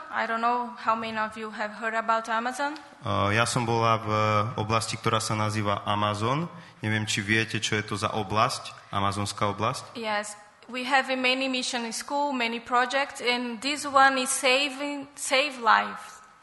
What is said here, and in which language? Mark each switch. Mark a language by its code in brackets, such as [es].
[en] I don't know how many of you have heard about Amazon. [sk] Ja som bola v oblasti, ktorá sa nazýva Amazon. Neviem, či viete, čo je to za oblasť, amazonská oblasť. [en] Yes, we have many mission in school, many projects, and this one is save lives.